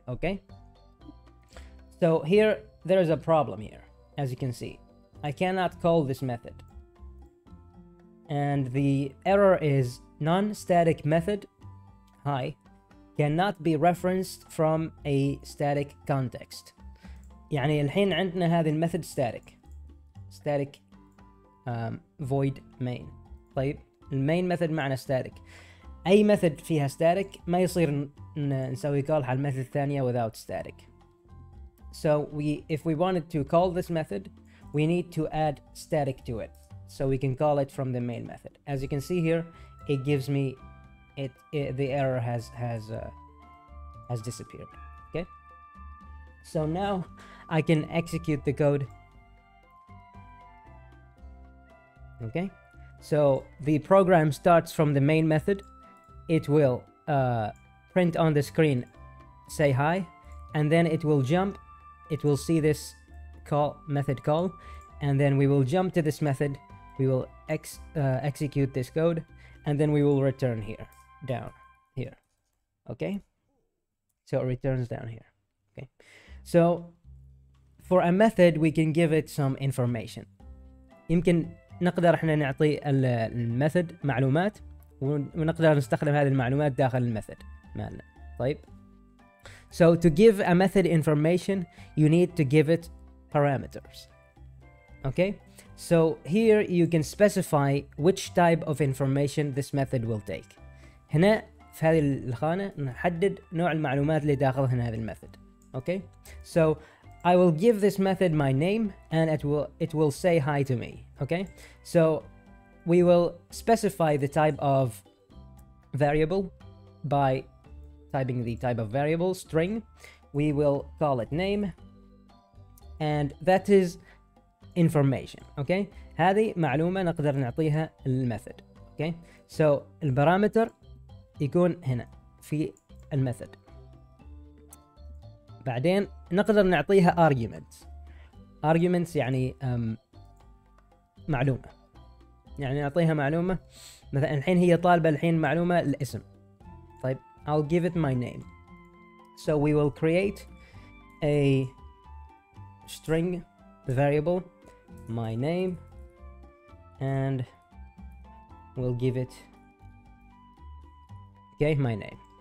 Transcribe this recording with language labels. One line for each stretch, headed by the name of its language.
English: Okay, so here there is a problem here. As you can see, I cannot call this method. And the error is non-static method hi cannot be referenced from a static context.
Arabic: يعني الحين عندنا هذه الميثود static void main. طيب المين ميثود معنى static. أي ميثود فيها static ما يصير نسوي call على الميثود الثانية
English: without static. So if we wanted to call this method, we need to add static to it. So we can call it from the main method. As you can see here, it gives me the error has disappeared. Okay. So now I can execute the code. Okay. So the program starts from the main method. It will print on the screen, say hi, and then it will jump. It will see this method call, and then we will jump to this method. We will execute this code, and then we will return here, down here. Okay? So it returns down here. Okay? So for a method, we can give it some information.
Arabic: يمكن نقدر احنا نعطي الميثود معلومات ونقدر نستخدم هذه المعلومات داخل الميثود مالنا. طيب.
English: So to give a method information, you need to give it parameters. Okay? So here you can specify which type of information this method will take.
Arabic: هنا في هذه الخانة نحدد نوع المعلومات اللي داخلها هنا هذه الميثود.
English: Okay? So I will give this method my name and it will say hi to me. Okay? So we will specify the type of variable by typing the type of variable string. We will call it name, and that is information.
Arabic: Okay, هذه معلومة نقدر نعطيها للميثود. Okay, so البارامتر يكون هنا في الميثود. بعدين نقدر نعطيها arguments. arguments يعني معلومة. يعني نعطيها معلومة. مثلا الحين هي طالبة الحين معلومة الاسم.
English: طيب I'll give it my name. So we will create a string variable my name and we'll give it okay my name.